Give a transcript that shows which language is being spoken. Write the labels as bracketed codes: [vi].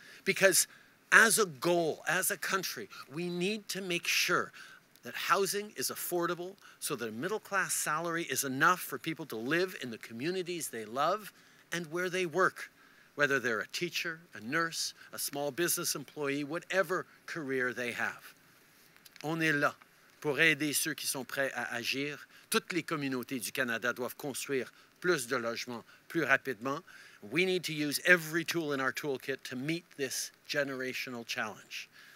[en] Because as a goal, as a country, we need to make sure that housing is affordable so that a middle-class salary is enough for people to live in the communities they love and where they work, whether they're a teacher, a nurse, a small business employee, whatever career they have. [fr] On est là. Pour aider ceux qui sont prêts à agir, toutes les communautés du Canada doivent construire plus de logements plus rapidement. [en] We need to use every tool in our toolkit to meet this generational challenge.